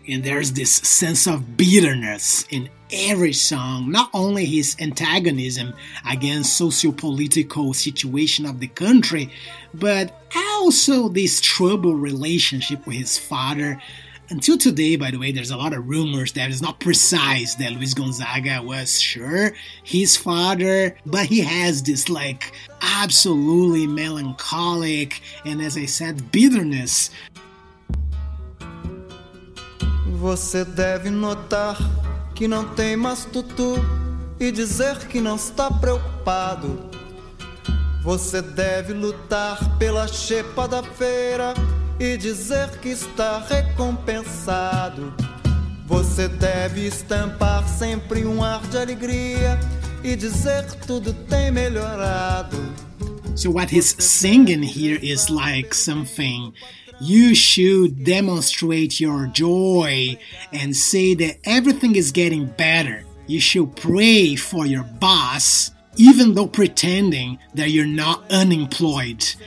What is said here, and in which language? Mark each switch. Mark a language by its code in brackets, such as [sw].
[en] And there's this sense of bitterness in every song, not only his antagonism against socio-political situation of the country, but also this troubled relationship with his father. Until today, by the way, there's a lot of rumors that it's not precise that Luiz Gonzaga was sure his father, but he has this like absolutely melancholic and, as I said, bitterness. [pt] Você deve notar que não tem mais tutu e dizer que não está preocupado. Você deve lutar pela xepa da feira e dizer que está recompensado. Você deve estampar sempre um ar de alegria e dizer que tudo tem melhorado. [en] So what he's singing here is like something. You should demonstrate your joy and say that everything is getting better. You should pray for your boss, even though pretending that you're not unemployed.